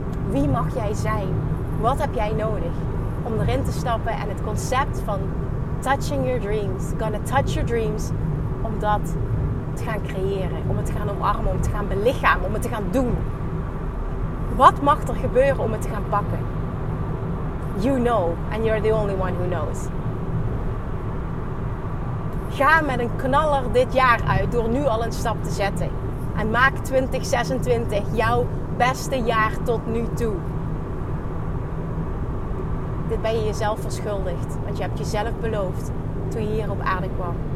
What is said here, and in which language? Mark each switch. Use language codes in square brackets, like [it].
[nl] Wie mag jij zijn? Wat heb jij nodig om erin te stappen en het concept van [en] touching your dreams, gonna touch your dreams, [nl] om dat te gaan creëren, om het te gaan omarmen, om het te gaan belichamen, om het te gaan doen. Wat mag er gebeuren om het te gaan pakken? [en] You know, and you're the only one who knows. [nl] Ga met een knaller dit jaar uit door nu al een stap te zetten. En maak 2026 jouw beste jaar tot nu toe. Dit ben je jezelf verschuldigd. Want je hebt jezelf beloofd toen je hier op aarde kwam.